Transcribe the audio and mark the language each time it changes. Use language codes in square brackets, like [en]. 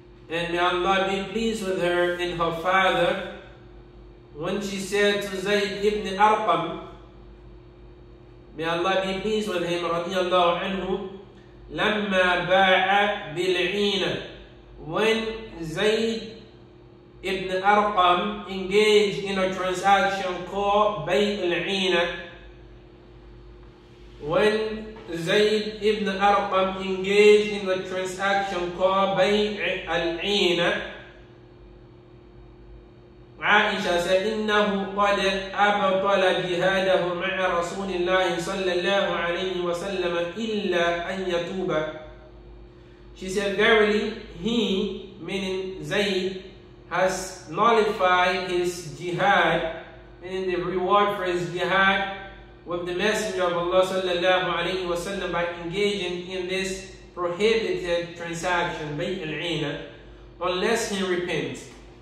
[en] and may Allah be pleased with her and her father, when she said to Zayd ibn Arqam, may Allah be pleased with him radiallahu anhu, [ar] لَمَّا بَاعَ بِالْعِينَ, [en] when Zayd Ibn Arqam engaged in a transaction called Bayt al-Ina. When Zayd ibn Arqam engaged in the transaction called Bayt al-Ina, Aisha said, [ar] إِنَّهُ قَدْ أَبَطَلَ جِهَادَهُ مَعَ رَسُولِ اللَّهِ صَلَّى اللَّهُ عَلَيْهِ وَسَلَّمَ إِلَّا أَنْ يَتُوبَ. [en] She said, verily, he, meaning Zayd, has nullified his jihad, meaning the reward for his jihad with the Messenger of Allah sallallahu alayhi wa sallam by engaging in this prohibited transaction, Bayt al-Ina, unless he repents.